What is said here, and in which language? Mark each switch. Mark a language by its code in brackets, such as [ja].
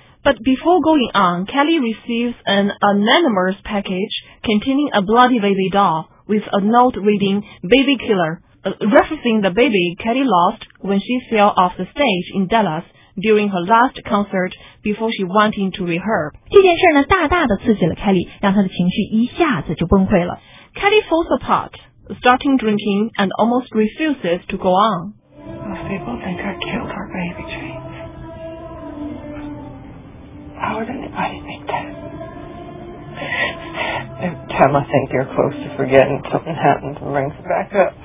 [en] But before going on, Kelly receives an anonymous package containing a bloody baby doll with a note reading "Baby Killer," referencing the baby Kelly lost when she fell off the stage in Dallas during her last concert before she went in to rehab. [zh] 这件事呢，大大的刺激了 Kelly， 让她的情绪一下子就崩溃了。 [en] Kelly falls apart, starting drinking and almost refuses to go on. Most people think I killed her baby, Jane. How would anybody think that? Tim, I think you're close to forgetting. Something happened and brings it back up.